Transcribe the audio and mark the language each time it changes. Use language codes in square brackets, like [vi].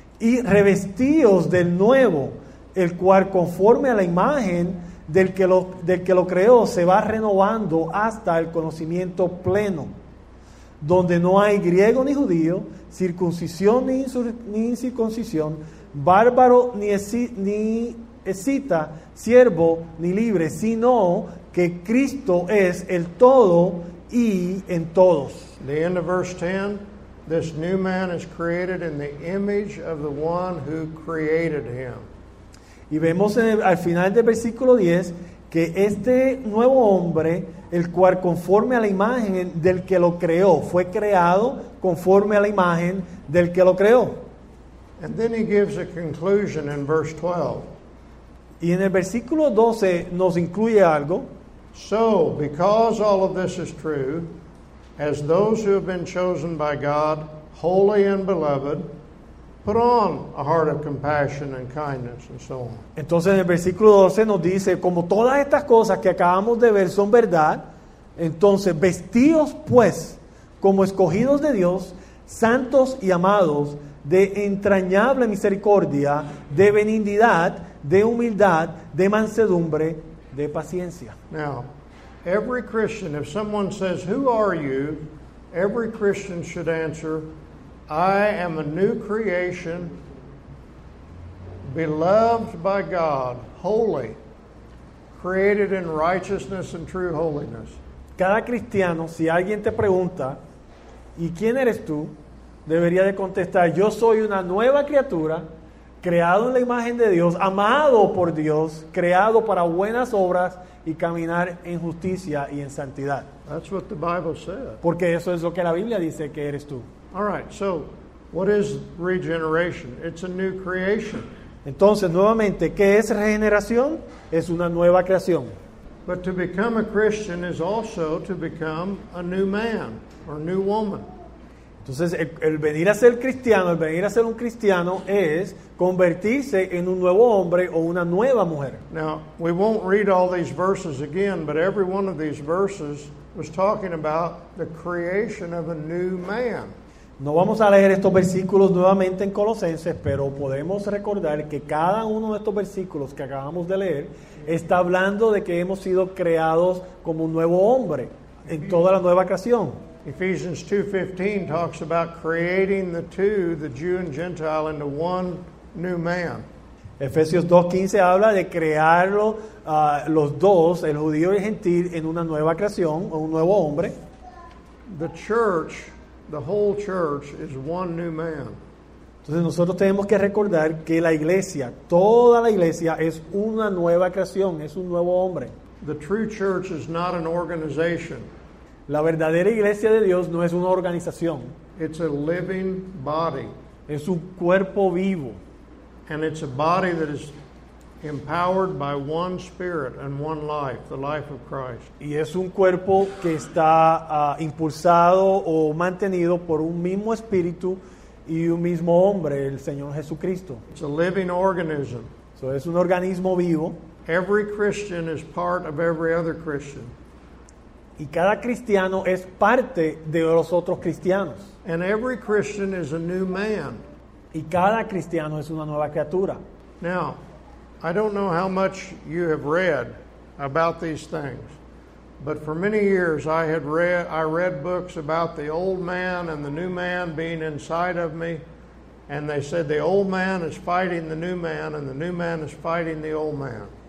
[es] Y revestíos del nuevo, el cual conforme a la imagen del que lo creó, se va renovando hasta el conocimiento pleno, donde no hay griego ni judío, circuncisión ni incircuncisión, bárbaro ni escita, siervo ni libre, sino que Cristo es el todo y en todos. [en] The end of verse 10, this new man is created in the image of the one who created him. [es] Y vemos al final del versículo 10 que este nuevo hombre, el cual conforme a la imagen del que lo creó, fue creado conforme a la imagen del que lo creó. [en] And then he gives a conclusion in verse 12. [es] Y en el versículo 12 nos incluye algo. [en] So, because all of this is true, as those who have been chosen by God, holy and beloved, put on a heart of compassion and kindness and so on. [es] Entonces en el versículo 12 nos dice, como todas estas cosas que acabamos de ver son verdad, entonces vestíos pues como escogidos de Dios, santos y amados, de entrañable misericordia, de benignidad, de humildad, de mansedumbre, de paciencia. [en] Now, every Christian, if someone says, "Who are you?" every Christian should answer, "I am a new creation, beloved by God, holy, created in righteousness and true holiness." [es] Cada cristiano, si alguien te pregunta, "¿Y quién eres tú?", debería de contestar, "Yo soy una nueva criatura, creado en la imagen de Dios, amado por Dios, creado para buenas obras y caminar en justicia y en santidad." [en] That's what the Bible said. [es] Porque eso es lo que la Biblia dice que eres tú. [en] All right, so what is regeneration? It's a new creation. [es] Entonces, nuevamente, ¿qué es regeneración? Es una nueva creación. [en] But to become a Christian is also to become a new man or new woman. [es] Entonces, el venir a ser cristiano, el venir a ser un cristiano es convertirse en un nuevo hombre o una nueva mujer. [en] Now, we won't read all these verses again, but every one of these verses was talking about the creation of a new man. [es] No vamos a leer estos versículos nuevamente en Colosenses, pero podemos recordar que cada uno de estos versículos que acabamos de leer está hablando de que hemos sido creados como un nuevo hombre en toda la nueva creación. [en] Ephesians 2:15 talks about creating the two, the Jew and Gentile, into one new man. [es] Efesios 2:15 habla de crearlo los dos, el judío y el gentil, en una nueva creación, un nuevo hombre. [en] The church, the whole church, is one new man. [es] Entonces nosotros tenemos que recordar que la iglesia, toda la iglesia, es una nueva creación, es un nuevo hombre. [en] The true church is not an organization. [es] La verdadera iglesia de Dios no es una organización. [en] It's a living body. [es] Es un cuerpo vivo. [en] And it's a body that is empowered by one spirit and one life, the life of Christ. [es] Y es un cuerpo que está impulsado o mantenido por un mismo espíritu y un mismo hombre, el Señor Jesucristo. [en] It's a living organism. [es] So es un organismo vivo. [en] Every Christian is part of every other Christian. [es] Y cada cristiano es parte de los otros cristianos. [en] And every Christian is a new man. [es] Y cada cristiano es una nueva criatura. [en] Now, I don't know how much you have read about these things, but for many years I read books about the old man and the new man being inside of me, and they said the old man is fighting the new man and the new man is fighting the old man.